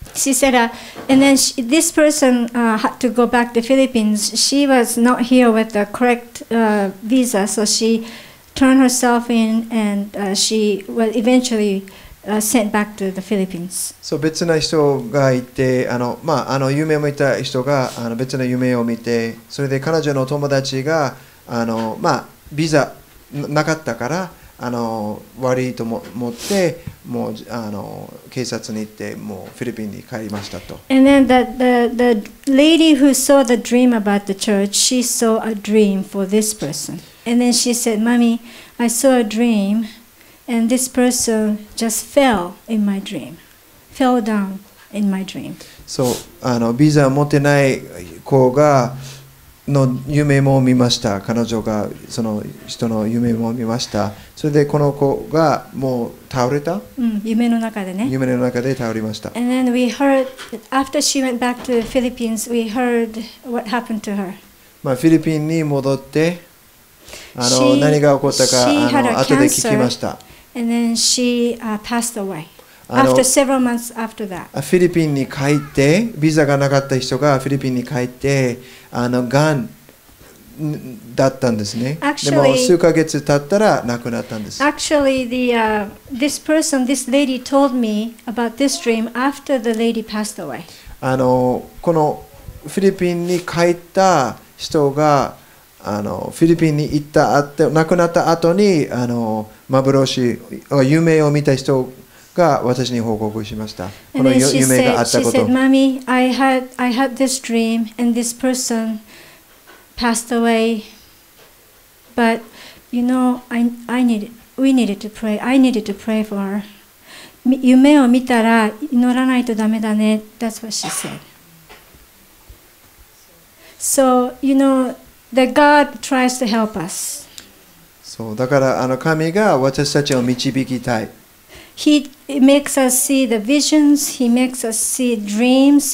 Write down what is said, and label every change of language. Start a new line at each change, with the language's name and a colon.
English: She said, and then she, this person had to go back to the Philippines. She was not here with the correct visa, so she turned herself in, and she was eventually. Sent back to the Philippines.
Japanese: そう、別な人がいて、夢を見た人が別な夢を見て、それで彼女の友達がビザなかったから悪いと思って、もう警察に行って、もうフィリピンに帰りましたと。
English: And then the lady who saw the dream about the church, she saw a dream for this person. And then she said, "Mommy, I saw a dream." And this person just fell in my dream, fell down in my dream.
Japanese: そう、ビザを持ってない子がの夢も見ました。彼女がその人の夢も見ました。それでこの子がもう倒れた。うん、夢の中でね。夢の中で倒れました。
English: And then we heard after she went back to the Philippines, we heard what happened to her.
Japanese: まあフィリピンに戻って。何が起こったか後で聞きました。
English: And then she passed away. After several months after that.
Japanese: フィリピンに帰って、ビザがなかった人がフィリピンに帰って、がんだったんですね。でも数ヶ月経ったら亡くなったんです。
English: Actually, this person, this lady told me about this dream after the lady passed away.
Japanese: このフィリピンに帰った人がフィリピンに行った後、亡くなった後に幻、夢を見た人が私に報告しました。この夢があったこと。
English: She said, "Mommy, I had this dream, and this person passed away. But you know, we needed to pray for her.
Japanese: 夢を見たら祈らないとダメだね。
English: That's what she said. So you know. That God tries to help us.
Japanese: そうだから神が私たちを導きたい。
English: He makes us see the visions. He makes us see dreams.